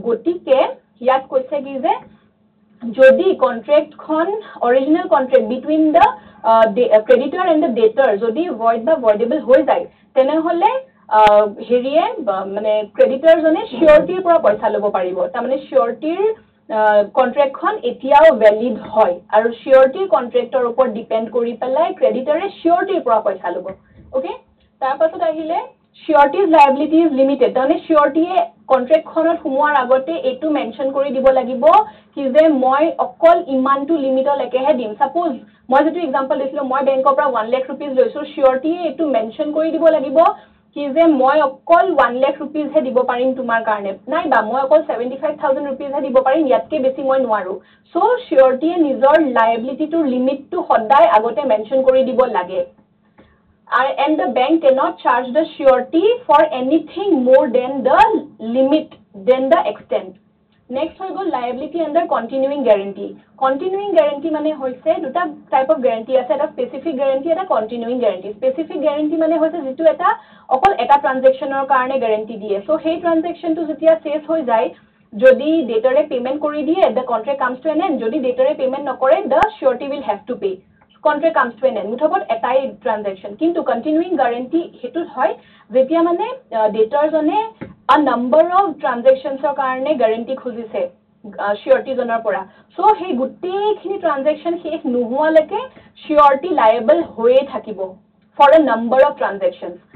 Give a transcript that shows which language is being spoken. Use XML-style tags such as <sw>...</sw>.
<as>গতিকে ইয়াত কৈছে কি যে যদি কণ্ট্ৰেক্টখন original contract</as> <en>between the creditor and the debtor</en> <as>যদি ভইড বা ভইডেবল হৈ যায়, তেনেহ'লে হেৰিয়ে মানে ক্ৰেডিটৰজনে চিয়ৰিটিৰ পৰা পইচা ল'ব পাৰিব। তাৰমানে চিয়ৰিটিৰ কণ্ট্ৰেক্টখন এতিয়াও ভেলিড হয়, আৰু চিয়ৰিটিৰ কণ্ট্ৰেক্টৰ ওপৰত ডিপেণ্ড কৰি পেলাই ক্ৰেডিটৰে চিয়ৰিটিৰ পৰা পইচা ল'ব। অ'কে, তাৰপাছত আহিলে শিয়রিটিজ লাইবিলিটিজ লিমিটেড, তাহলে শিয়রিটিয়ে কন্ট্রেক্টখনত সোমোৱাৰ আগতে এইটো মেনশন কৰি দিব লাগিব কি যে মই অকল ইমানটো লিমিটলৈকেহে দিম। সাপোজ মই যিটো এক্সাম্পল দিছিলোঁ, মই বেংকৰ পৰা 1 লাখ ৰুপিজ লৈছোঁ, শিয়রিটিয়ে এইটো মেনশন কৰি দিব লাগিব কি যে মই অকল 1 লাখ ৰুপিজহে দিব পাৰিম তোমাৰ কাৰণে, নাইবা মই অকল 75,000 ৰুপিজহে দিব পাৰিম, ইয়াতকৈ বেছি মই নোৱাৰোঁ। চ' শিয়রিটিয়ে নিজৰ লাইবিলিটিটোৰ লিমিটটো সদায় আগতে মেনশ্যন কৰি দিব লাগে।</as> <en>And the bank cannot charge the surety for anything more than the limit, than the extent. Next, we go liability under continuing guarantee. Continuing guarantee means that there are two types of guarantee. There is a specific guarantee and a continuing guarantee. Specific guarantee means that there is a guarantee for a transaction or a guarantee. So, this transaction is the same as the debtor payment</en> <as>kori diye,</as> <en>the contract comes to an end.</en> <as>Jodi debtor payment no kore,</as> <en>the surety will have to pay. Contract comes to an end</en> <as>মুঠত এটাই transaction. কিন্তু কণ্টিনিউইং guarantee সেইটোত হয় যেতিয়া মানে ডেটাৰজনে আ number of ট্ৰানজেকশ্যনছৰ কাৰণে guarantee খুজিছে শিয়ৰিটিজনৰ পৰা। চ' সেই গোটেইখিনি ট্ৰানজেকশ্যন শেষ নোহোৱালৈকে শিয়ৰিটি লাইবল হৈয়ে থাকিব</as> <en>For a number of transactions.</en>